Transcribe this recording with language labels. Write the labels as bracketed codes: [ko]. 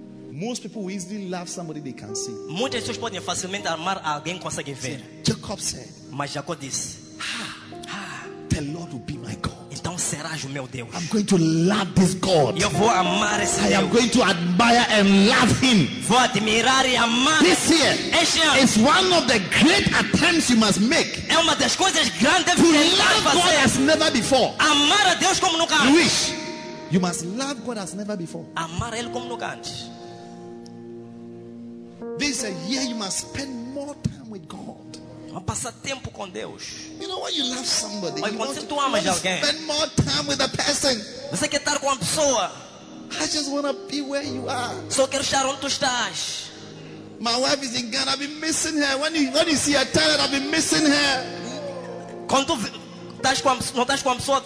[en] Most people will easily love somebody they can see. [pt] Muitas pessoas podem facilmente amar alguém que consegue ver. [en] Jacob said. [pt] Mas Jacob disse. [en] The Lord will be my God. [pt] Então serás o meu Deus. [en] I'm going to love this God. [pt] Eu vou amar esse Deus. [en] I am going to admire and love him. [pt] Vou admirar e amar. [en] This year is one of the great attempts you must make. [pt] É uma das coisas grandes [en] to love [pt] fazer. [en] God as never before. [pt] Amar a Deus como nunca [en] antes. Wish. You must love God as never before. [pt] Amar ele como nunca antes. [en] This year you must spend more time with God. [pt] Passar tempo com Deus. [en] You know when you love somebody, [pt] mas [en] you [pt] quando tu amas alguém, [en] spend more time with a person. [pt] Você quer estar com uma pessoa. [en] I just wanna be where you are. [pt] Só quero estar onde tu estás. [en] My wife is in Ghana. I've been missing her. When you see her, tell her I've been missing her. [pt] Quando tu estás com uma, não estás com uma pessoa.